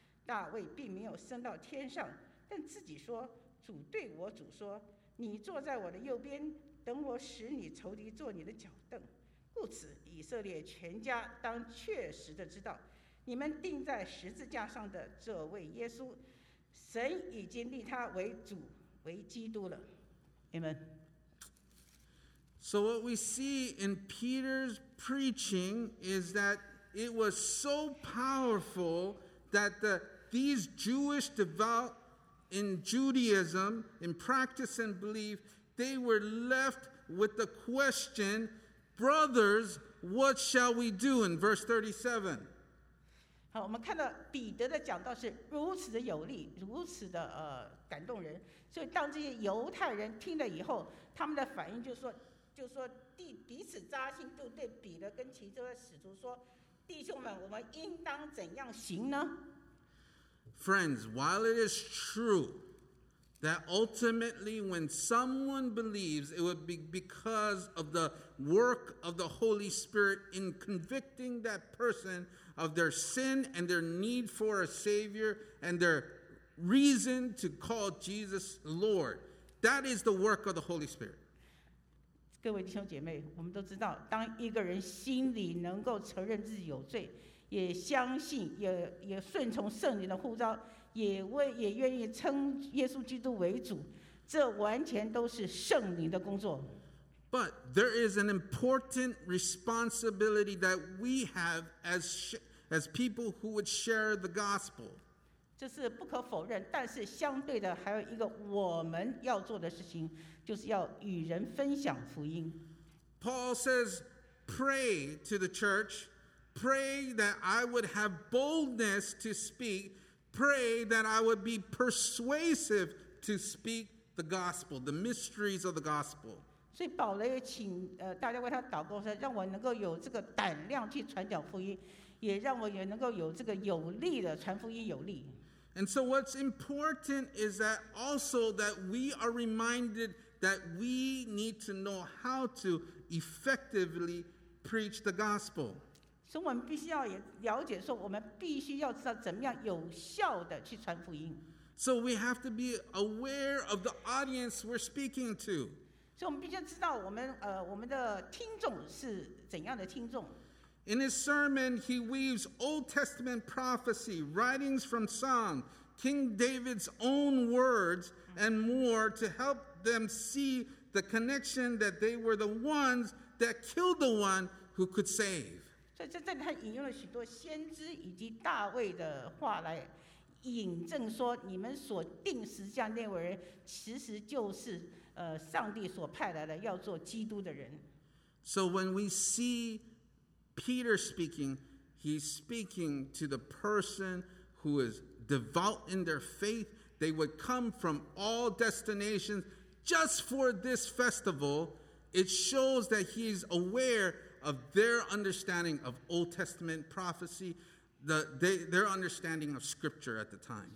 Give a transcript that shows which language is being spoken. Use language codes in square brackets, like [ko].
[zh] 大卫并没有升到天上，但自己说，主对我主说，你坐在我的右边，等我使你仇敌坐你的脚凳。故此以色列全家当确实的知道，你们钉在十字架上的这位耶稣，神已经立他为主为基督了。 [en] Amen. So what we see in Peter's preaching is that it was so powerful that these Jewish devout in Judaism, in practice and belief, they were left with the question, brothers, what shall we do? In verse 37. [zh] 好，我们看到彼得的讲道是如此的有力，如此的感动人。所以当这些犹太人听了以后，他们的反应就说彼此扎心，就对彼得跟其他的使徒说，弟兄们，我们应当怎样行呢？ [en] Friends, while it is true that ultimately when someone believes, it would be because of the work of the Holy Spirit in convicting that person of their sin and their need for a Savior and their reason to call Jesus Lord. That is the work of the Holy Spirit. [zh] 各位弟兄姐妹，我们都知道，当一个人心里能够承认自己有罪，也相信，也顺从圣灵的呼召，也愿意称耶稣基督为主，这完全都是圣灵的工作。 [en] But there is an important responsibility that we have as people who would share the gospel. [zh] 这是不可否认，但是相对的还有一个我们要做的事情，就是要与人分享福音。 [en] Paul says, pray to the church, pray that I would have boldness to speak, pray that I would be persuasive to speak the gospel, the mysteries of the gospel. [zh] 所以保罗也请大家为他祷告，说让我能够有这个胆量去传讲福音，也让我也能够有这个有力的传福音有力。 [en] And so what's important is that also that we are reminded that we need to know how to effectively preach the gospel. [zh] 所以我们必须要也了解，说我们必须要知道怎么样有效的去传福音。 [en] So we have to be aware of the audience we're speaking to. So we [zh] 必须知道我们我们的听众是怎样的听众。 [en] In his sermon, he weaves Old Testament prophecy, writings from Psalm, King David's own words, and more to help them see the connection that they were the ones that killed the one who could save. [zh] 所以这里他引用了许多先知以及大卫的话来引证说，你们所定时将那位人，其实就是上帝所派来的要做基督的人。 [en] So when we see Peter speaking, he's speaking to the person who is devout in their faith. They would come from all destinations just for this festival. It shows that he's aware of their understanding of Old Testament prophecy, their understanding of scripture at the time.